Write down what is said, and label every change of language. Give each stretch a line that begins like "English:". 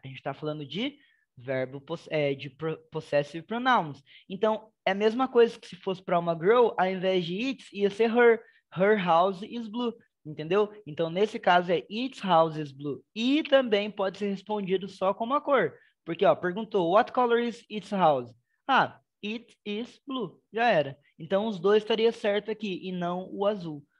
Portuguese: A gente tá falando de verbo de possessive pronouns. Então, é a mesma coisa que se fosse para uma girl, ao invés de it's, ia ser her.
English: Her house is blue.
Portuguese: Entendeu? Então, nesse caso, é
English: its house is blue.
Portuguese: E também pode ser respondido só com uma cor. Porque, ó, perguntou,
English: what color is its house? Ah, it is blue.
Portuguese: Já era. Então, os dois estariam certo aqui, e não o azul.